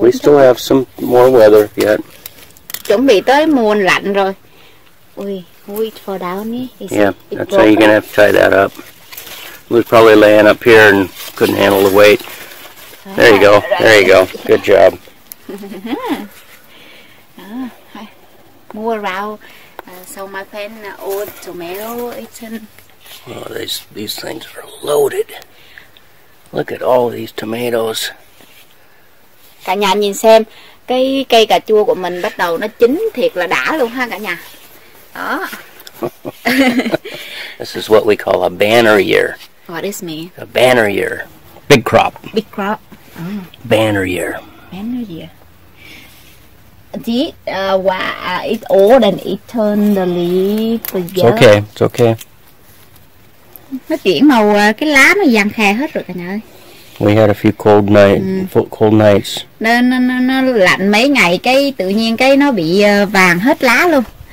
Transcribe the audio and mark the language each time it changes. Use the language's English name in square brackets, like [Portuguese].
[English] We still have some more weather yet. [Vietnamese] Chuẩn bị tới mùa lạnh rồi. [English] Ui, wait for down here. Yeah, that's how you're gonna have to tie that up. It was probably laying up here and couldn't handle the weight. There you go. There you go. Good job. More around, so my friend old tomato eaten. Oh, these things are loaded. Look at all these tomatoes. [Vietnamese] Cả nhà nhìn xem, cái cây cà chua của mình bắt đầu nó chín thiệt là đã luôn ha cả nhà. Đó. [English] This is what we call a banner year. What is me? A banner year. Big crop. Big crop. Banner year. Banner year. It's old and it turned the leaf. It's okay. [Vietnamese] Nó chuyển màu cái lá nó vàng khè hết rồi cả nhà ơi. [English] We had a few cold nights. Cold nights. [Vietnamese] Nó lạnh mấy ngày cái tự nhiên cái nó bị vàng hết lá luôn.